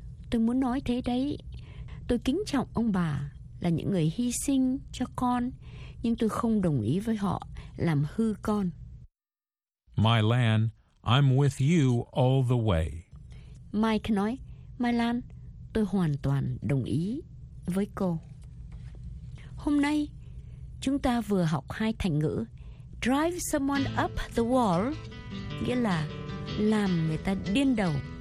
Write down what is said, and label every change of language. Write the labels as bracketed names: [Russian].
[Vietnamese] Tôi muốn nói thế đấy. Tôi kính trọng ông bà là những người hy sinh cho con, nhưng tôi không đồng ý với họ làm hư con. [English] My Lan, I'm with you all the way. [Vietnamese] Mike nói, My Lan, tôi hoàn toàn đồng ý với cô. Hôm nay, chúng ta vừa học hai thành ngữ. [English] Drive someone up the wall, [Vietnamese] nghĩa là làm người ta điên đầu.